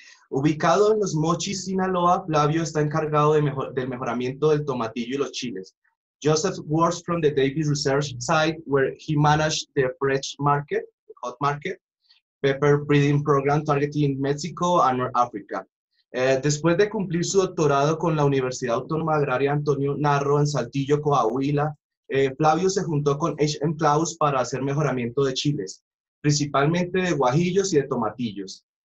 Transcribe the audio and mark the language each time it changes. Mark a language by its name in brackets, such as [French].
[Spanish] Ubicado en Los Mochis, Sinaloa, Flavio está encargado del mejoramiento del tomatillo y los chiles. [English] Joseph works from the Davis Research site where he managed the fresh market, the hot market, pepper breeding program targeting Mexico and North Africa. [Spanish] Después de cumplir su doctorado con la Universidad Autónoma Agraria Antonio Narro en Saltillo, Coahuila, Flavio se juntó con HMClause para hacer mejoramiento de chiles, principalmente de guajillos y de tomatillos.